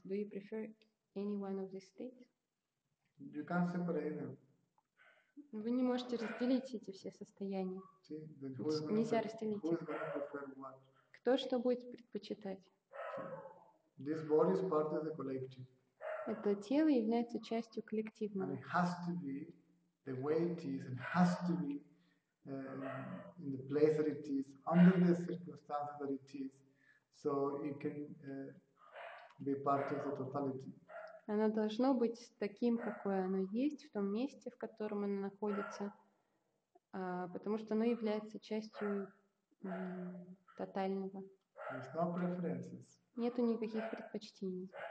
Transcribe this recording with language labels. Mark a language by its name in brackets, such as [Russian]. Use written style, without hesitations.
[English] Do you prefer any one of these states? You can't separate them. [Russian] Вы не можете разделить эти все состояния. Нельзя разделить их. Кто что будет предпочитать? [English] This body is part of the collective. [Russian] Это тело является частью коллективного. [English] And it has to be the way it is, and has to be in the place that it is, under the circumstances that it is, so it can be part of the totality. [Russian] Оно должно быть таким, какое оно есть, в том месте, в котором оно находится, потому что оно является частью тотального. [English] There's no preferences. [Russian] Нету никаких предпочтений.